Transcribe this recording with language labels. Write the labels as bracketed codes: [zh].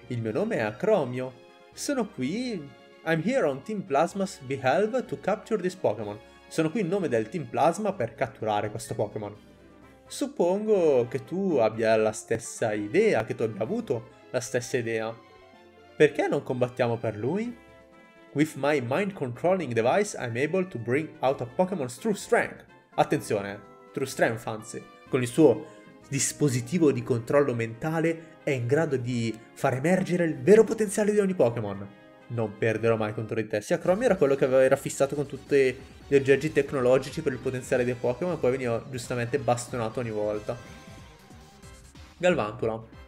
[it] Il mio nome è Acromio. Sono qui... [en] I'm here on Team Plasma's behalf to capture this Pokémon. [it] Sono qui in nome del Team Plasma per catturare questo Pokémon. Suppongo che tu abbia la stessa idea, che tu abbia avuto la stessa idea. Perché non combattiamo per lui? [en] With my mind controlling device, I'm able to bring out a Pokémon's true strength. [it] Attenzione, true strength anzi. Con il suo dispositivo di controllo mentale è in grado di far emergere il vero potenziale di ogni Pokémon. Non perderò mai contro di te. Sì, Acromio era quello che aveva fissato con tutti gli oggetti tecnologici per il potenziale dei Pokémon e poi veniva giustamente bastonato ogni volta. Galvantula.